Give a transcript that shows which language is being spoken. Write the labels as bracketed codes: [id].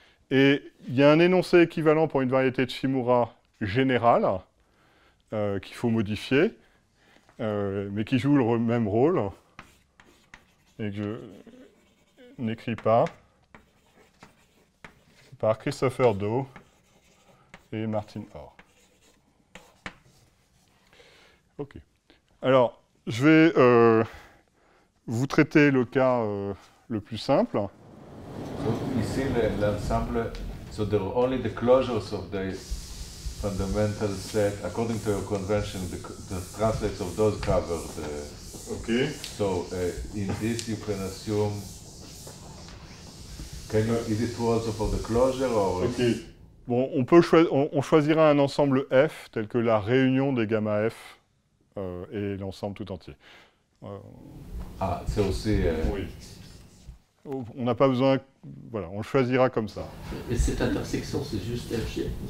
[fr] Et il y a un énoncé équivalent pour une variété de Shimura générale qu'il faut modifier, mais qui joue le même rôle et que je n'écris pas. Par Christopher Dow et Martin Orr. OK. Alors, je vais vous traiter le cas le plus simple. Donc, ici, l'ensemble, [en] so there are only the closures of the fundamental set, according to your convention, the translates of those cover the. OK. So, in this, you can assume. Can you, is it also for the closure or OK. [fr] Bon, on peut on choisira un ensemble F tel que la réunion des gamma F et l'ensemble tout entier. C'est aussi. Oui. On n'a pas besoin. Voilà, on le choisira comme ça. Et cette intersection, c'est juste FG.